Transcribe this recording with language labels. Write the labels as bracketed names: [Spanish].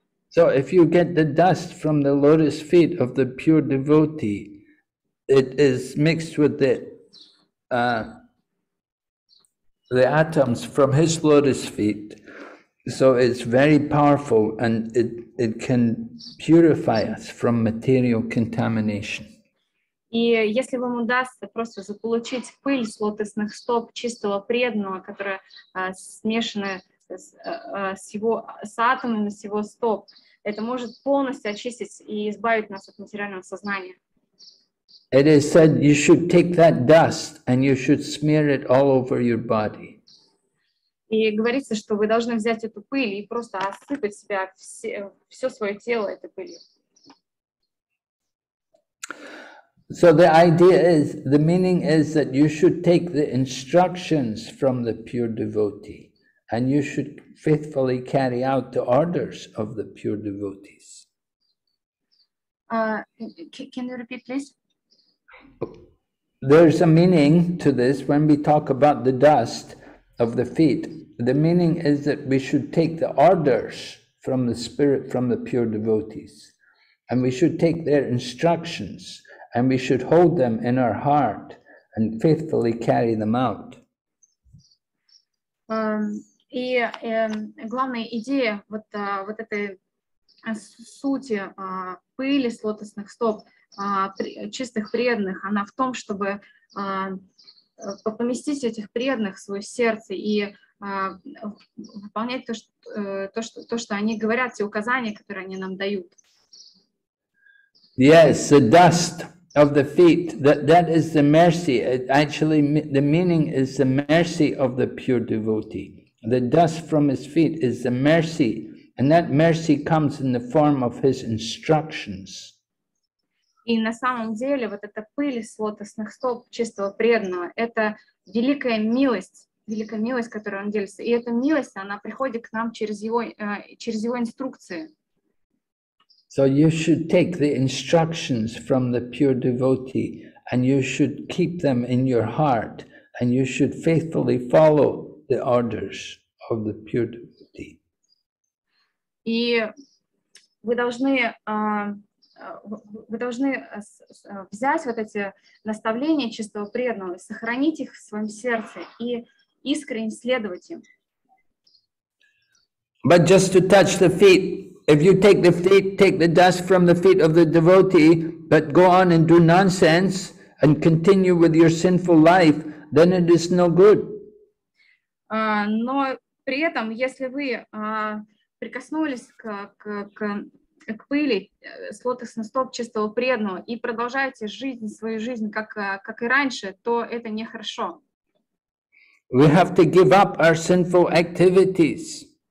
[English] So if you get the dust from the lotus feet of the pure devotee, it is mixed with the atoms from his lotus feet. So it's very powerful and it can purify us from material contamination. [Russian] И если вам удастся просто заполучить пыль с лотосных стоп чистого преданного, которая смешана с атомами с его стоп, это может полностью очистить и избавить нас от материального сознания. [English] It is said you should take that dust and you should smear it all over your body. [Russian] И говорится, что вы должны взять эту пыль и просто осыпать в себя все свое тело этой пылью. [English] So the idea is, the meaning is that you should take the instructions from the pure devotee and you should faithfully carry out the orders of the pure devotees. Can you repeat, please? There's a meaning to this when we talk about the dust of the feet. The meaning is that we should take the orders from the spirit, from the pure devotees, and we should take their instructions and we should hold them in our heart and faithfully carry them out. [Russian] И главная идея вот этой сути пыли с лотосных стоп чистых преданных, она в том, чтобы поместить этих преданных в свое сердце и выполнять то, что они говорят, те указания, которые они нам дают. [English] Yes, the dust of the feet, that is the mercy. Actually, the meaning is the mercy of the pure devotee. The dust from his feet is the mercy, and that mercy comes in the form of his instructions. [Russian] И на самом деле вот эта пыль с лотосных стоп чистого преданного — это великая милость, которую он делится. И эта милость, она приходит к нам через его инструкции. [English] So you should take the instructions from the pure devotee, and you should keep them in your heart, and you should faithfully follow the orders of the pure devotee. [Russian] И вы должны... Вы должны взять вот эти наставления чистого преданного, сохранить их в своем сердце и искренне следовать им. [English] But just to touch the feet, if you take the feet, take the dust from the feet of the devotee, but go on and do nonsense and continue with your sinful life, then it is no good. [Russian] Но при этом, если вы прикоснулись к пыли с лотосных стоп чистого преданного и продолжаете жизнь, свою жизнь, как и раньше, то это нехорошо. [English] We have to give up our sinful activities.